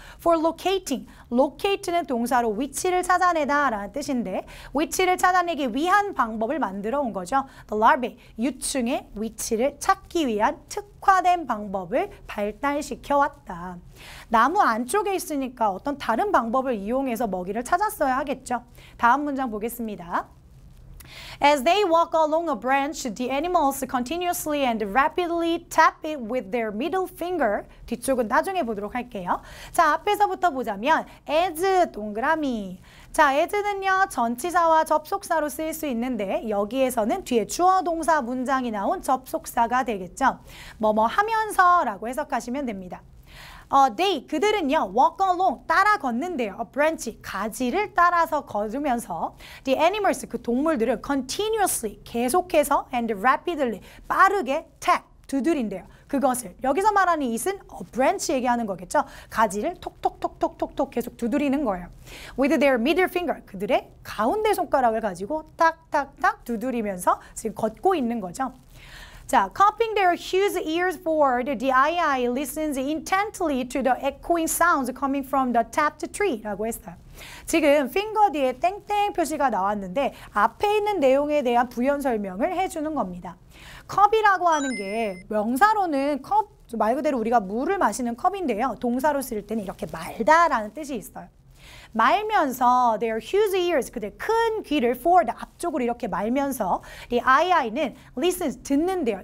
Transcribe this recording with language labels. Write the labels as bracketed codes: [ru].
[en] For locating, [ko] locate는 동사로 위치를 찾아내다 라는 뜻인데 위치를 찾아내기 위한 방법을 만들어 온 거죠. [en] The larvae, [ko] 유충의 위치를 찾기 위한 특화된 방법을 발달시켜 왔다. 나무 안쪽에 있으니까 어떤 다른 방법을 이용해서 먹이를 찾았어야 하겠죠. 다음 문장 보겠습니다. [en] As they walk along a branch, the animals continuously and rapidly tap it with their middle finger. [ko] 뒤쪽은 나중에 보도록 할게요. 자, 앞에서부터 보자면 as 동그라미. 자, as는요, 전치사와 접속사로 쓰일 수 있는데 여기에서는 뒤에 주어 동사 문장이 나온 접속사가 되겠죠. 뭐뭐 하면서 라고 해석하시면 됩니다. They, 그들은요, [en] walk along, [ko] 따라 걷는데요. [en] A branch, [ko] 가지를 따라서 걸으면서 [en] the animals, [ko] 그 동물들은 continuously, 계속해서 [en] and rapidly, [ko] 빠르게 tap, 두드린대요. 그것을, 여기서 말하는 it은 a branch 얘기하는 거겠죠. 가지를 톡톡톡톡톡톡 계속 두드리는 거예요. [en] With their middle finger, [ko] 그들의 가운데 손가락을 가지고 딱딱딱 두드리면서 지금 걷고 있는 거죠. [en] 자, cupping their huge ears forward, the II listens intently to the echoing sounds coming from the tapped tree. [ko] 라고 했어요. 지금 finger 뒤에 땡땡 표시가 나왔는데 앞에 있는 내용에 대한 부연 설명을 해주는 겁니다. cup이라고 하는 게 명사로는 cup, 말 그대로 우리가 물을 마시는 cup인데요. 동사로 쓸 때는 이렇게 말다라는 뜻이 있어요. 말면서 [en] their huge ears, [ko] 그들 큰 귀를 forward, 앞쪽으로 이렇게 말면서 the II는 listens, 듣는데요.